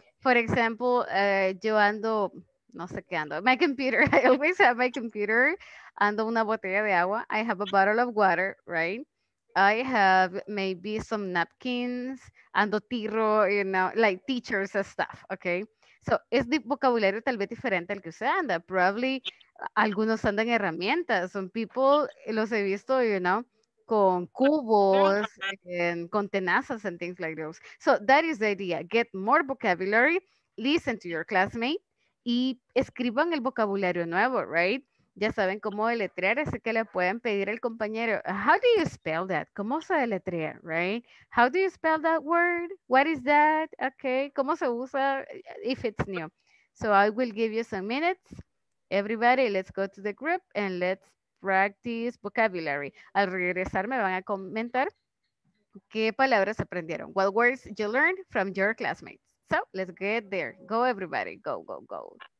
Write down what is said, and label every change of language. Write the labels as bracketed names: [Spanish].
[English] For example, [Spanish] yo ando... No sé qué ando. [English] My computer. I always have my computer. [Spanish] Ando una botella de agua. [English] I have a bottle of water, right? I have maybe some napkins, andotirro, you know, like teachers and stuff, okay? [Spanish] So, es de vocabulario tal vez diferente al que usted anda. [English] Probably, [Spanish] algunos andan herramientas. [English] Some people, [Spanish] los he visto, [English] you know, [Spanish] con cubos, [English] and [Spanish] con tenazas [English] and things like those. So, that is the idea. Get more vocabulary, listen to your classmate, [Spanish] y escriban el vocabulario nuevo, [English] right? [Spanish] Ya saben cómo deletrear, así que le pueden pedir al compañero, [English] how do you spell that? [Spanish] ¿Cómo se deletrea, [English] right? How do you spell that word? What is that? Okay, [Spanish] ¿cómo se usa? [English] If it's new. So I will give you some minutes. Everybody, let's go to the group and let's practice vocabulary. [Spanish] Al regresar me van a comentar qué palabras aprendieron. [English] What words you learned from your classmates. So let's get there. Go everybody, go, go, go.